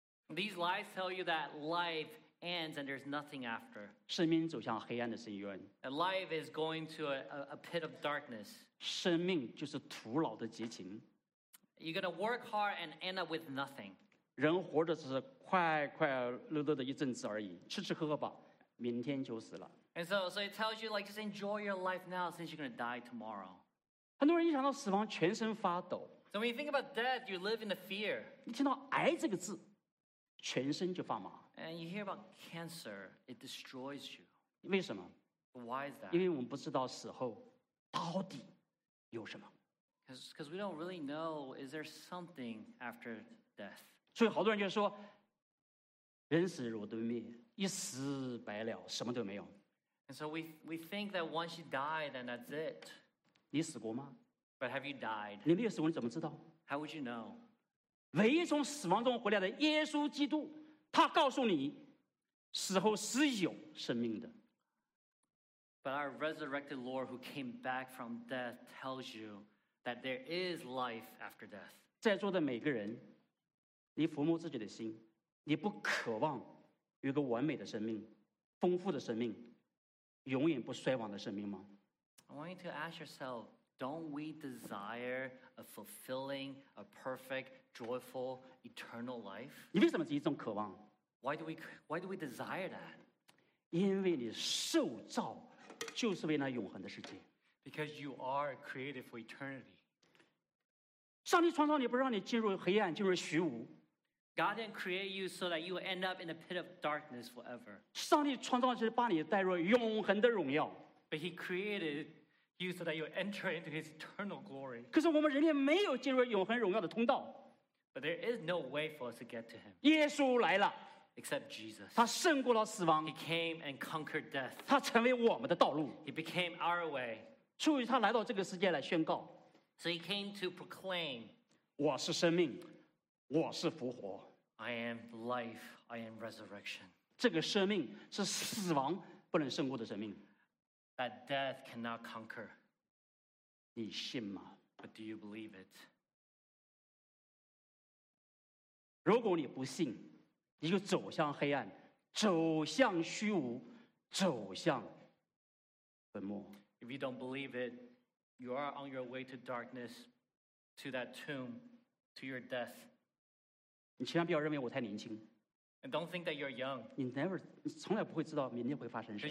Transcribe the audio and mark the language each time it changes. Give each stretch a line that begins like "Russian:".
English: These lies tell you that life ends and there's nothing after.
Chinese: 生命走向黑暗的深渊。
English: Life is going to a pit of darkness.
Chinese: 生命就是徒劳的激情。
English: You're going to work hard and end up with nothing.
Chinese: 人活着只是快快乐乐的一阵子而已，吃吃喝喝吧，明天就死了。
English: And so it tells you like just enjoy your life now since you're going to die tomorrow.
Chinese: 很多人一想到死亡全身发抖。
English: So when you think about death, you live in the fear.
Chinese: 你听到癌这个字。全身就发麻。
English: And you hear about cancer, it destroys you.
Chinese: 为什么？
English: Why is that?
Chinese: 因为我们不知道死后到底有什么。
English: Because we don't really know, is there something after death?
Chinese: 所以好多人就说，人死如灯灭，一死白了，什么都没有。
English: And so we think that once you die, then that's it.
Chinese: 你死过吗？
English: But have you died?
Chinese: 你没有死过，你怎么知道？
English: How would you know?
Chinese: 唯一从死亡中回来的耶稣基督，他告诉你，死后是有生命的。
English: But our resurrected Lord who came back from death tells you that there is life after death.
Chinese: 在座的每个人，你抚摸自己的心，你不渴望有个完美的生命、丰富的生命、永远不衰亡的生命吗？
English: I want you to ask yourself. Don't we desire a fulfilling, a perfect, joyful, eternal life?
Chinese: 你为什么这种渴望？
English: Why do we desire that?
Chinese: 因为你受造就是为那永恒的世界。
English: Because you are created for eternity.
Chinese: 上帝创造你不让你进入黑暗，进入虚无。
English: God didn't create you so that you will end up in a pit of darkness forever.
Chinese: 上帝创造是把你带入永恒的荣耀。
English: But he created you so that you will enter into his eternal glory.
Chinese: 可是我们人类没有进入永恒荣耀的通道。
English: But there is no way for us to get to him.
Chinese: 耶稣来了。
English: Except Jesus.
Chinese: 他胜过了死亡。
English: He came and conquered death.
Chinese: 他成为我们的道路。
English: He became our way.
Chinese: 出于他来到这个世界来宣告。
English: So he came to proclaim.
Chinese: 我是生命。我是复活。
English: I am life. I am resurrection.
Chinese: 这个生命是死亡不能胜过的生命。
English: That death cannot conquer.
Chinese: 你信吗？
English: But do you believe it?
Chinese: 如果你不信，你就走向黑暗，走向虚无，走向坟墓。
English: If you don't believe it, you are on your way to darkness, to that tomb, to your death.
Chinese: 你千万不要认为我太年轻。
English: And don't think that you're young.
Chinese: 你从来不会知道明天会发生什么。